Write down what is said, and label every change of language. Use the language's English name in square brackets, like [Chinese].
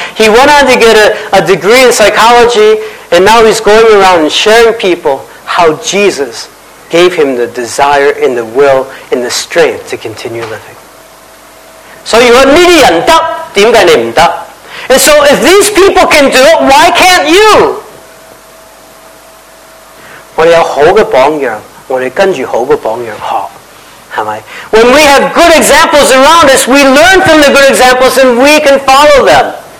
[English] He went on to get a degree in psychology, and now he's going around and sharing people how Jesus gave him the desire and the will and the strength to continue living. So you are And so if these people can do it, why can't you? [Cantonese] 我们有好的榜样，我们跟住好的榜样学，系咪？ [English] When we have good examples around us, we learn from the good examples and we can follow them.